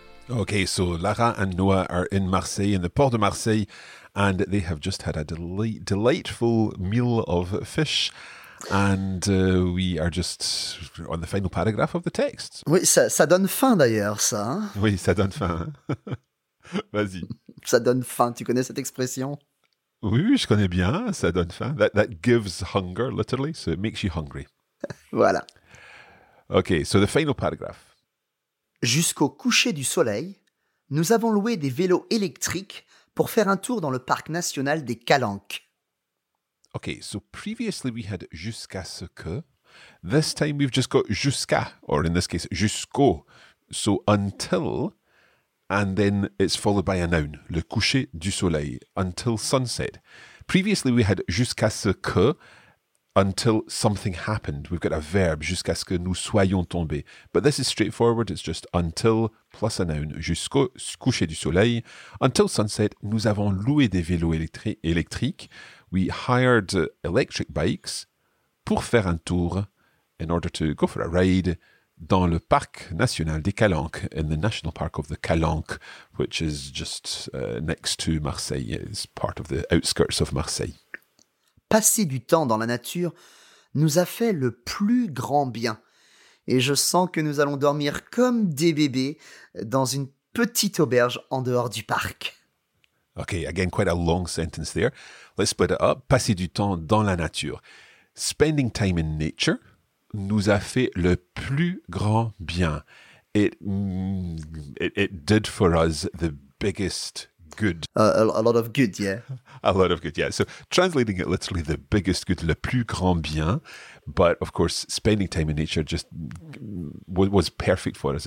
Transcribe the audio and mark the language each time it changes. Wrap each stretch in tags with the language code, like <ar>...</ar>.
<en>Okay, so Lara and Noah are in Marseille, in the Port de Marseille, and they have just had a delightful meal of fish, and we are just on the final paragraph of the text.</en> <fr>Oui, ça donne faim d'ailleurs, ça. Oui, ça donne faim. Vas-y. Ça donne faim, tu connais cette expression? Oui, je connais bien, ça donne faim.</fr> <en>That gives hunger, literally, so it makes you hungry.</en> <fr>Voilà.</fr> <en>Okay, so the final paragraph.</en> <fr>Jusqu'au coucher du soleil, nous avons loué des vélos électriques pour faire un tour dans le parc national des Calanques.</fr> <en>Okay, so previously we had</en> <fr>jusqu'à ce que.</fr> <en>This time we've just got jusqu'à, or in this case, jusqu'au. So until, and then it's followed by a noun,</en> <fr>le coucher du soleil,</fr> <en>until sunset. Previously we had</en> <fr>jusqu'à ce que,</fr> <en>until something happened. We've got a verb,</en> <fr>jusqu'à ce que nous soyons tombés.</fr> <en>But this is straightforward, it's just until plus a noun,</en> <fr>jusqu'au coucher du soleil.</fr> <en>Until sunset,</en> <fr>nous avons loué des vélos électriques.</fr> <en>We hired electric bikes</en> <fr>pour faire un tour,</fr> <en>in order to go for a ride,</en> <fr>dans le parc national des Calanques,</fr> <en>in the national park of the Calanques, which is just next to Marseille. It's part of the outskirts of Marseille.</en> <fr>Passer du temps dans la nature nous a fait le plus grand bien. Et je sens que nous allons dormir comme des bébés dans une petite auberge en dehors du parc.</fr> <en>Okay, again, quite a long sentence there. Let's split it up.</en> <fr>Passer du temps dans la nature.</fr> <en>Spending time in nature</en> <fr>nous a fait le plus grand bien.</fr> <en>It did for us the biggest good. A lot of good, yeah. A lot of good, yeah. So translating it literally, the biggest good,</en> <fr>le plus grand bien.</fr> <en>But of course, spending time in nature just was perfect for us.</en>